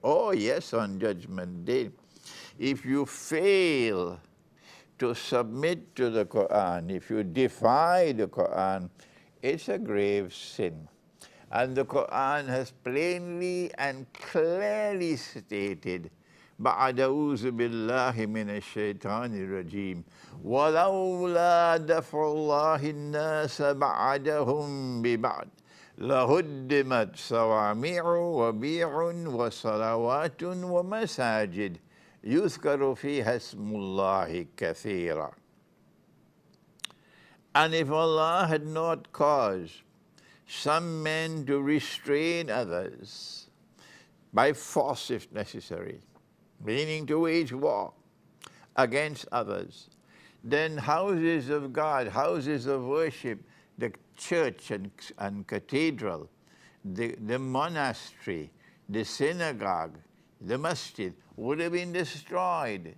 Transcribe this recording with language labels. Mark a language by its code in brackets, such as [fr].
[en] Oh yes, on Judgment Day. If you fail to submit to the Quran, if you defy the Quran, it's a grave sin. And the Quran has plainly and clearly stated [ar] بعد أعوذ بالله من الشيطان الرجيم ولولا دفع الله الناس بعضهم ببعض لهدمت صوامع وبيع وصلوات ومساجد يذكر فيها اسم الله كثيرا. [en] And if Allah had not caused some men to restrain others by force if necessary, meaning to wage war against others, then houses of God, houses of worship, the church and cathedral, the monastery, the synagogue, the masjid, would have been destroyed.